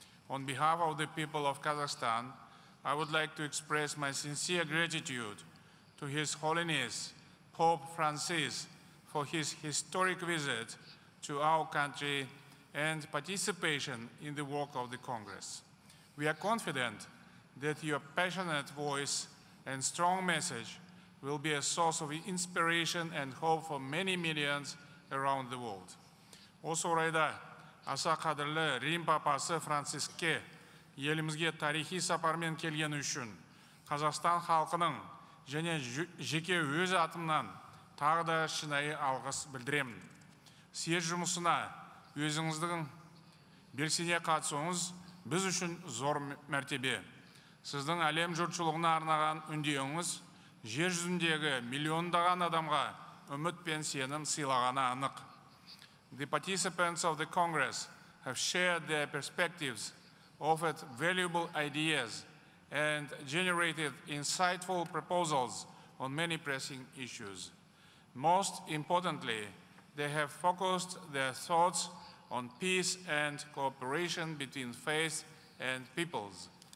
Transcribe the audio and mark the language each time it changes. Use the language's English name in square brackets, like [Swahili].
[English] On behalf of the people of Kazakhstan, I would like to express my sincere gratitude to His Holiness Pope Francis for his historic visit to our country and participation in the work of the Congress. We are confident that your passionate voice and strong message will be a source of inspiration and hope for many millions around the world. [Kazakh] Осы орайда, аса қадірлі Рим папасы Франциске елімізге тарихи сапармен келгені үшін Қазақстан халқының және жеке өз атымнан тағы да шынайы алғыс білдіремін. Съезд жұмысына өзіңіздің белсене қатысуыңыз біз үшін зор мәртебе. Сіздің әлем жұртшылығына арнаған үндеуіңіз жер жүзіндегі миллиондаған адамға үміт пен сенім сыйлағаны анық. [English] The participants of the Congress have shared their perspectives, offered valuable ideas, and generated insightful proposals on many pressing issues. Most importantly, they have focused their thoughts on peace and cooperation between faith and peoples.